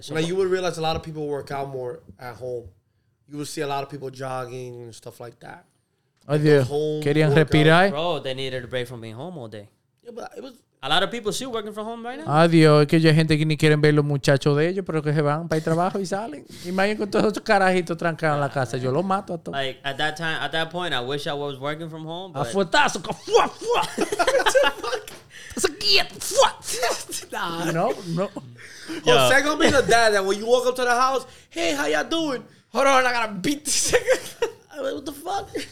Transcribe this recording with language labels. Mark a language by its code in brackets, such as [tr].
[en] So now you would realize a lot of people work out more at home. You would see a lot of people jogging and stuff like that. Oh yeah. [es] Querían respirar. [en] Bro, they needed a break from being home all day. Yeah, but it was. A lot of people still working from home right now. [es] Adiós, es que hay gente que ni quieren ver los muchachos de ellos, pero que se van para el trabajo y salen. Imagínate con todos esos carajitos trancados en la casa. Yo los mato a todos. [en] Like, at that point, I wish I was working from home, but... [es] A fuetazo, que fuá, fuá. [en] It's a kid, [es] fuá. [en] No. Yo, Jose gonna be the dad that when you walk up to the house, hey, how y'all doing? Hold on, I gotta beat this nigga. I'm like, what the fuck?